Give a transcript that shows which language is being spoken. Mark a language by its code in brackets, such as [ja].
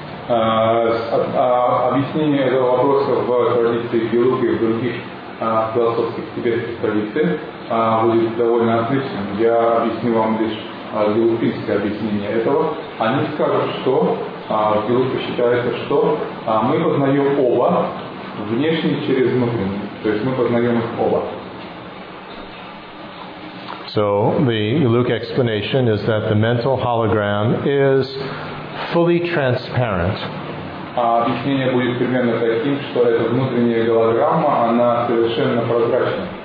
[ru] Объяснение этого вопроса в традиции Гелуги и в других философских тибетских традициях будет довольно отличным. Я объясню вам лишь гелупинское объяснение этого. Они скажут, что в Гелуге считается, что мы познаем оба внешне через внутренний. То есть мы познаем их оба. [en] So the Galuk explanation is that the mental hologram is fully transparent. [ru] Объяснение будет примерно таким, что эта внутренняя голограмма, она совершенно прозрачна.